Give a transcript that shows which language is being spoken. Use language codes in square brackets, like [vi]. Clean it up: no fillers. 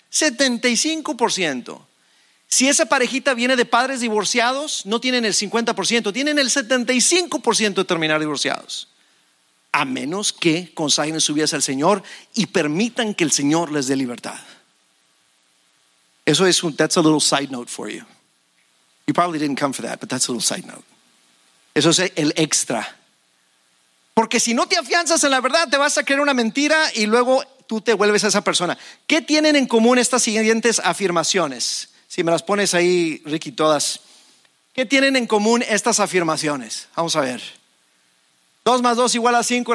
[es] 75%. Si esa parejita viene de padres divorciados, no tienen el 50%, tienen el 75% de terminar divorciados. A menos que consagren su vida al Señor y permitan que el Señor les dé libertad. Eso es un, [en] that's a little side note for you. You probably didn't come for that, but that's a little side note. [es] Eso es el extra. Porque si no te afianzas en la verdad, te vas a creer una mentira y luego tú te vuelves a esa persona. ¿Qué tienen en común estas siguientes afirmaciones? Si me las pones ahí, Ricky, todas. ¿Qué tienen en común estas afirmaciones? Vamos a ver. 2 + 2 = 5.